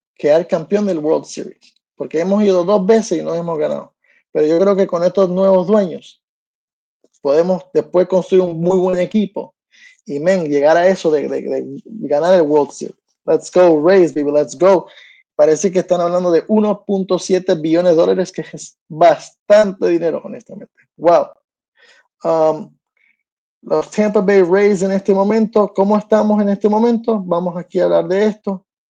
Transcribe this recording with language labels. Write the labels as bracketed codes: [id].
[es] Quedar campeón del World Series. Porque hemos ido 2 veces y no hemos ganado. Pero yo creo que con estos nuevos dueños podemos después construir un muy buen equipo. Y, men, llegar a eso de ganar el World Series. [en] Let's go, Rays, baby, let's go. [es] Parece que están hablando de 1.7 billones de dólares, que es bastante dinero, honestamente. Wow. Los Tampa Bay Rays en este momento, ¿cómo estamos en este momento? Vamos aquí a hablar de esto.